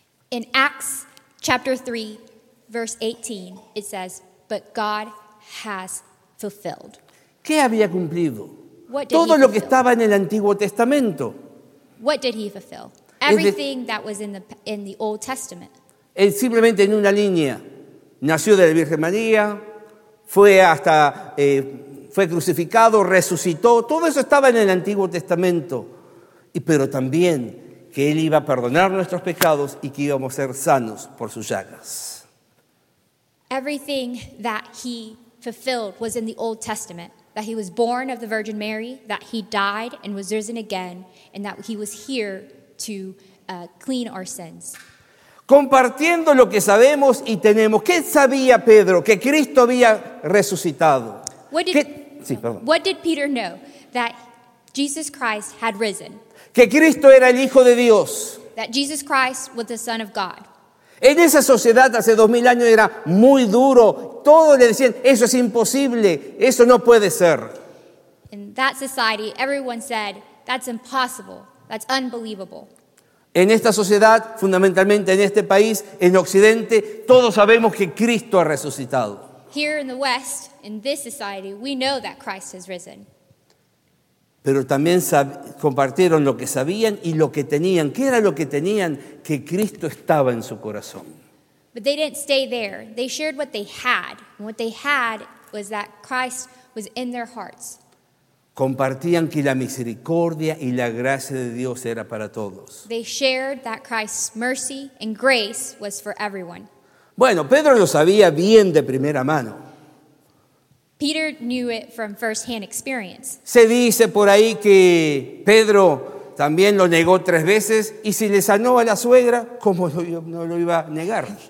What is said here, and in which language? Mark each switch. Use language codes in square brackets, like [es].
[en] In Acts chapter 3, verse 18, it says, but God has fulfilled. [es] ¿Qué había cumplido? Todo lo que estaba en el Antiguo Testamento. [en] What did he fulfill? Everything that was in the Old Testament. [es] Él simplemente en una línea, nació de la Virgen María, fue crucificado, resucitó, todo eso estaba en el Antiguo Testamento. Pero también que Él iba a perdonar nuestros pecados y que íbamos a ser sanos por sus llagas. [en] Everything that he fulfilled was in the Old Testament, that he was born of the Virgin Mary, that he died and was risen again, and that he was here to clean our sins. [es] Compartiendo lo que sabemos y tenemos. ¿Qué sabía Pedro? Que Cristo había resucitado. [en] What did Peter know? That Jesus Christ had risen. [es] Que Cristo era el Hijo de Dios. [en] That Jesus Christ was the Son of God. [es] En esa sociedad hace 2000 años era muy duro. Todos le decían, eso es imposible, eso no puede ser. [en] In that society, everyone said, that's impossible, that's unbelievable. [es] En esta sociedad, fundamentalmente en este país, en Occidente, todos sabemos que Cristo ha resucitado. [en] Here in the West, in this society, we know that Christ has risen. [es] Pero también compartieron lo que sabían y lo que tenían. ¿Qué era lo que tenían? Que Cristo estaba en su corazón. [en] But they didn't stay there. They shared what they had. And what they had was that Christ was in their hearts. [es] Compartían que la misericordia y la gracia de Dios era para todos. [en] They shared that Christ's mercy and grace was for everyone. [es] Bueno, Pedro lo sabía bien de primera mano. [en] Peter knew it from first-hand experience. [es] Se dice por ahí que Pedro también lo negó tres veces, y si le sanó a la suegra, ¿cómo no lo iba a negar?